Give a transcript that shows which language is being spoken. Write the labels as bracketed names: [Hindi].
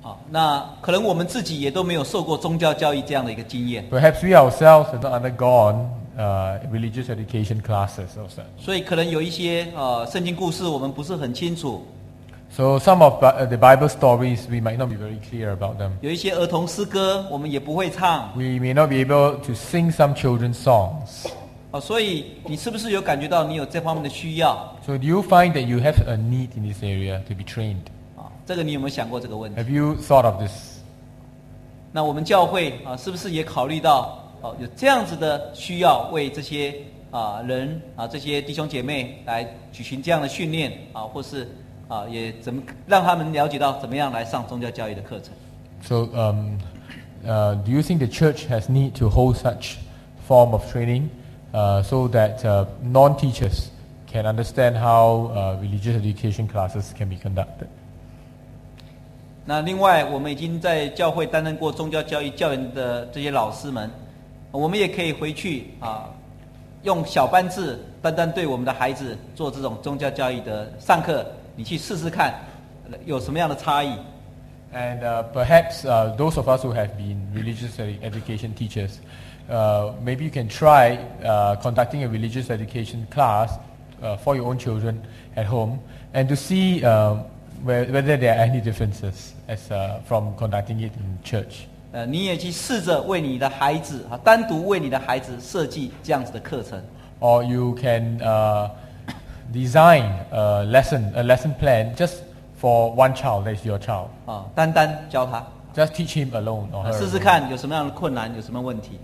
[Chinese] 那可能我们自己也都没有受过宗教教育这样的一个经验。 [English] Perhaps we ourselves have not undergone religious education classes also. [Chinese] 所以可能有一些圣经故事我们不是很清楚。 [English] So some of the Bible stories we might not be very clear about them. [Chinese] 有一些儿童诗歌我们也不会唱。 [English] We may not be able to sing some children's songs. [Chinese] 所以你是不是有感觉到你有这方面的需要 [English] ？So do you find that you have a need in this area to be trained? [Chinese] 这个你有没有想过这个问题 [English] ？Have you thought of this？ [Chinese] 那我们教会是不是也考虑到有这样子的需要，为这些人这些弟兄姐妹来举行这样的训练或是也怎么让他们了解到怎么样来上宗教教育的课程 [English] ？So, do you think the church has need to hold such form of training, so that non-teachers can understand how religious education classes can be conducted？ [Chinese] 那另外我们已经在教会担任过宗教教育教员的这些老师们我们也可以回去用小班制单单对我们的孩子做这种宗教教育的上课你去试试看有什么样的差异 [English] And perhaps those of us who have been religious education teachers maybe you can try conducting a religious education class for your own children at home and to see whether there are any differences as from conducting it in church. [Chinese] 你也去试着为你的孩子单独为你的孩子设计这样子的课程。 [English] or you can design a lesson plan just for one child, that is your child. [Chinese] 单单教他。 [English] Just teach him alone or her. [Chinese] 试试看有什么样的困难，有什么问题。